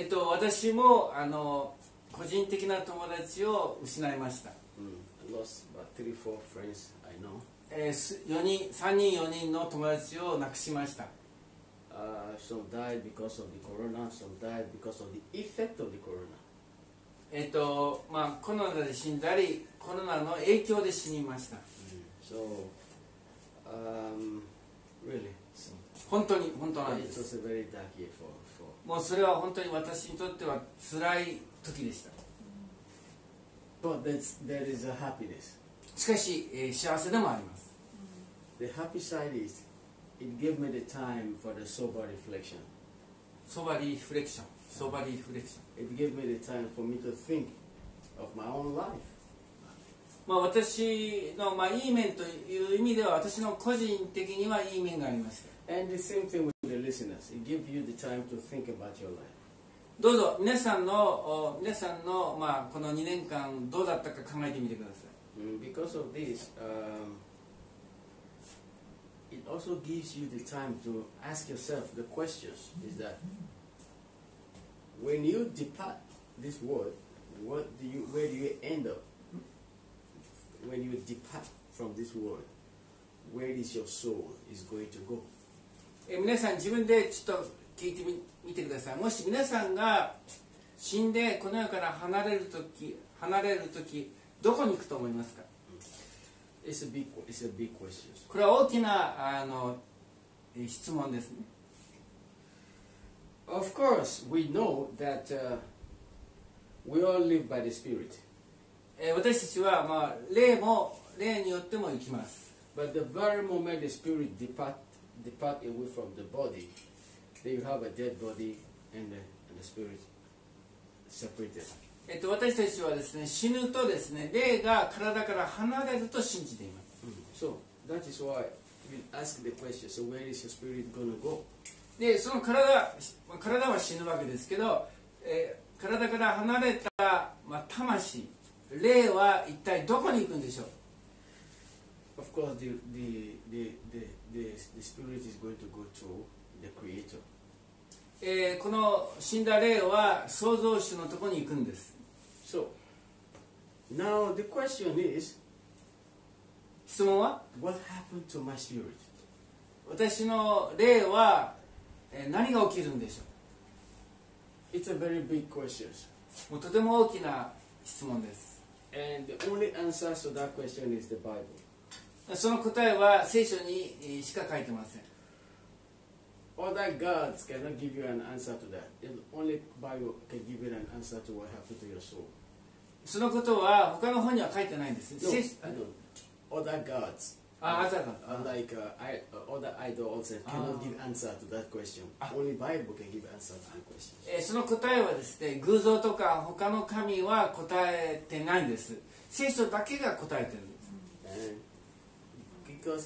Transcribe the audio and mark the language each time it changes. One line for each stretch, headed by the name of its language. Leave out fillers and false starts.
Japanese: 私もあの個人的な友達を失いました。
English: I lost about 3-4 friends I know.
Japanese: 3人4人の友達を亡くしました。
English: Some died because of the corona, some died because of the effect of the corona.
Japanese: まあコロナで死んだり、コロナの影響で死にました。
English: So, really, so.
Japanese: 本当に本当なんです。
English: It was a very dark year for.
Japanese: もうそれは本当に私にとっては辛い時でした。
English: But there is a happiness.
Japanese: しかし、幸せでもあります。
English: The happy side is. It gave me the time for the sober reflection. Sober reflection. Sober reflection. It gave me the time for me to think of my own life.
Japanese: まあ私のまあいい面という意味では私の個人的にはいい面があります。
English: And the same thing with the listeners. It gives you the time to think about your life.
Japanese: どうぞ皆さんの皆さんのまあこの2年間どうだったか考えてみてください。
English: Because of this. It also gives you the time to ask yourself the questions is that when you depart this world, where do you end up? When you depart from this world, where is your soul is going to go?
Japanese: 皆さん自分でちょっと聞いてみてください。もし皆さんが死んでこの世から離れるとき、どこに行くと思いますか？
English: It's a big question.
Japanese: これは大きなあの質問ですね。
English: Of course, we know that we all live by the spirit.
Japanese: 私たちはまあ霊によっても生きます。
English: But the very moment the spirit depart away from the body, then you have a dead body and the spirit separated.
Japanese: 私たちはですね、死ぬとですね、霊が体から離れると信じています。
English: So, that is why we ask the question, so where is your spirit gonna go?
Japanese: で、その体は死ぬわけですけど、体から離れた、まあ、魂、霊は一体どこに行くんでしょう？
English: Of course, the spirit is going to go to the creator.
Japanese: この死んだ霊は創造主のところに行くんです。
English: So, now the question is,
Japanese: 質問は
English: What happened to my spirit?
Japanese: 私の霊は、何が起きるんでしょう
English: It's a very big question.
Japanese: もうとても大きな質問です。
English: And the only answer to that question is the Bible.
Japanese: その答えは聖書にしか書いてません。
English: Other gods cannot give you an answer to that. Only Bible can give you an answer to what happened to your soul.
Japanese: そのことは他の本には書いてないんです。
English: No, I don't. Other gods. Other idols also cannot give answer to that question. Only Bible can give answer to that question.
Japanese: その答えはですね、偶像とか他の神は答えてないんです。聖書だけが答えてるんです。